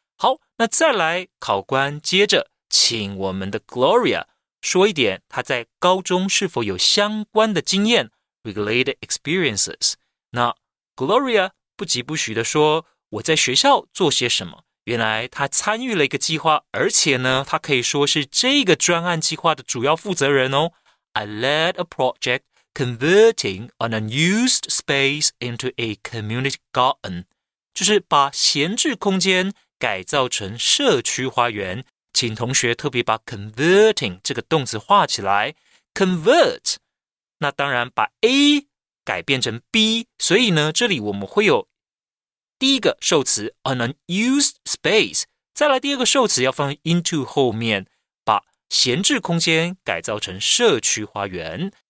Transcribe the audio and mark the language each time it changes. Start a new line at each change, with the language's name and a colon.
Chinese: 好，那再来考官接着请我们的 Gloria 说一点她在高中是否有相关的经验 related experiences。那 Gloria 不疾不徐地说我在学校做些什么，原来她参与了一个计划，而且呢她可以说是这个专案计划的主要负责人哦。
English: I led a projectconverting an unused space into a community garden，
Chinese: 就是把闲置空间改造成社区花园。请同学特别把 converting 这个动词画起来， convert， 那当然把 A 改变成 B， 所以呢这里我们会有第一个受词
English: an unused space，
Chinese: 再来第二个受词要放 into 后面，把闲置空间改造成社区花园。